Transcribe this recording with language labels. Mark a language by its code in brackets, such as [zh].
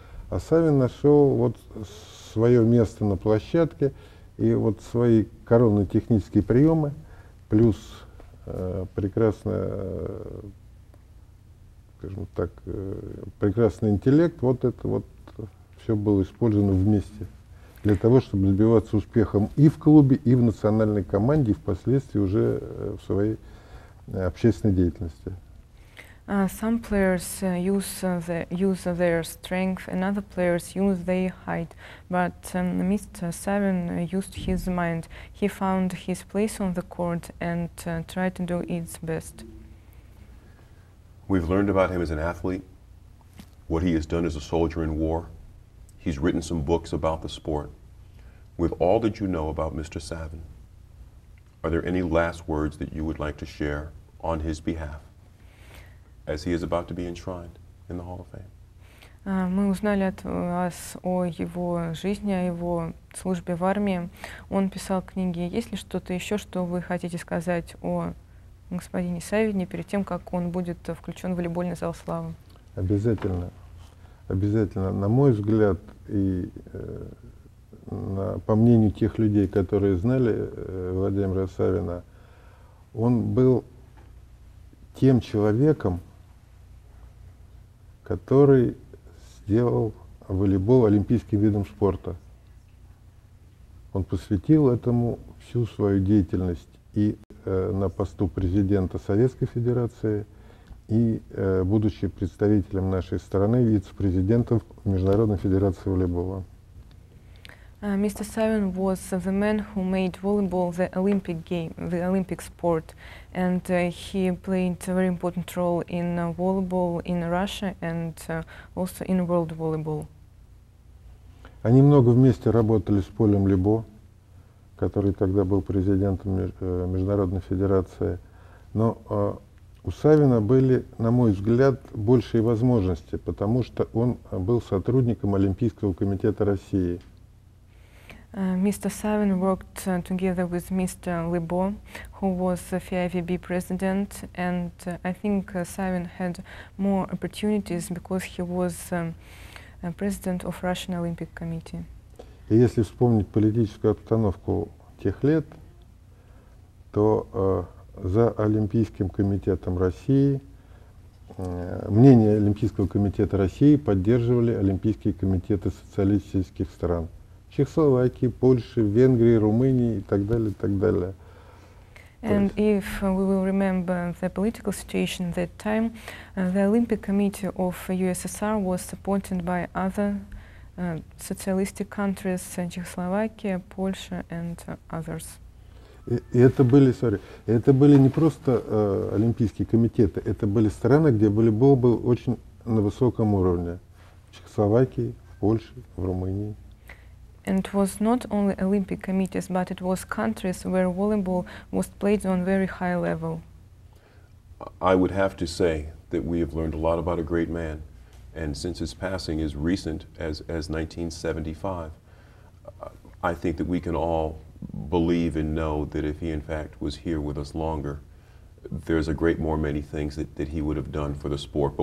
[ru] А Савин нашел вот свое место на площадке и вот свои коронные технические приемы плюс прекрасное скажем так, прекрасный интеллект, вот это вот все было использовано вместе для того, чтобы добиваться успехом и в клубе, и в национальной команде, и впоследствии уже в своей общественной деятельности. [en] Some players use their strength, and other players use their height, but Mr. Savin used his mind. He found his place on the court and tried to do its best. We've learned about him as an athlete, what he has done as a soldier in war. He's written some books about the sport. With all that you know about Mr. Savin, are there any last words that you would like to share on his behalf as he is about to be enshrined in the Hall of Fame? [ru] Мы узнали от вас о его жизни, о его службе в армии. Он писал книги. Есть ли что-то еще, что вы хотите сказать о господине Савине, перед тем, как он будет включен в волейбольный зал славы? Обязательно. Обязательно. На мой взгляд, и по мнению тех людей, которые знали Владимира Савина, он был тем человеком, который сделал волейбол олимпийским видом спорта. Он посвятил этому всю свою деятельность и на посту президента Советской Федерации и будучи представителем нашей страны, вице-президентом Международной Федерации волейбола. [en] Mr. Savin was the man who made volleyball the Olympic game, the Olympic sport, and he played a very important role in volleyball in Russia and also in world volleyball. [ru] Они много вместе работали с Полем Либо, который тогда был президентом Международной Федерации. Но у Савина были, на мой взгляд, большие возможности, потому что он был сотрудником Олимпийского комитета России. [en] Mr. Savin worked together with Mr. Libo, who was FIVB president, and I think Savin had more opportunities because he was president of Russian Olympic Committee. [ru] И если вспомнить политическую обстановку тех лет, то за Олимпийским комитетом России, мнение Олимпийского комитета России поддерживали Олимпийские комитеты социалистических стран. Чехословакии, Польши, Венгрии, Румынии и так далее, и так далее. [en] And if we will remember the political situation at that time, the Olympic Committee of USSR was supported by other socialistic countries, Czechoslovakia, Polish, and others. [ru] Это были не просто олимпийские комитеты, это были страны, где были бы очень на высоком уровне. В Чехословакии, в Польше, в Румынии. [en] And it was not only Olympic committees, but it was countries where volleyball was played on very high level. I would have to say that we have learned a lot about a great man. And since his passing is recent as 1975, I think that we can all believe and know that if he in fact was here with us longer, there's a great more many things that he would have done for the sport.